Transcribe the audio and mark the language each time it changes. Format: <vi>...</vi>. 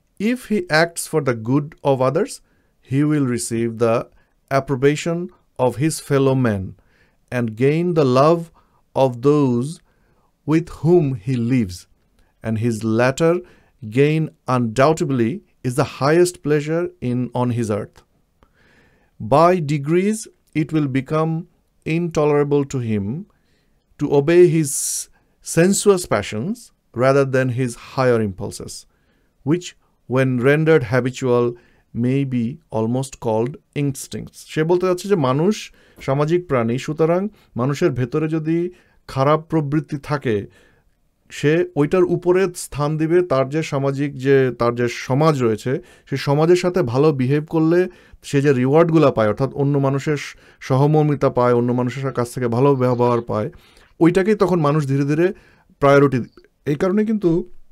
<en>If he acts for the good of others, he will receive the approbation of his fellow man and gain the love of those with whom he lives and his latter gain undoubtedly is the highest pleasure in on his earth. By degrees, it will become intolerable to him to obey his sensuous passions rather than his higher impulses, which, when rendered habitual, may be almost called instincts.</en> <bn>She bolte jacche je manush samajik prani, sutarang manusher bhetore jodi kharap probritti thake, সে ওইটার উপরে স্থান দিবে তার যে সামাজিক, যে তার যে সমাজ রয়েছে, সে সমাজের সাথে ভালো বিহেভ করলে সে যে রিওয়ার্ডগুলো পায়, অর্থাৎ অন্য মানুষের সহমর্মিতা পায়, অন্য মানুষের কাছ থেকে ভালো ব্যবহার পায়, ওইটাকেই তখন মানুষ ধীরে ধীরে প্রায়োরিটি দিবে।</bn>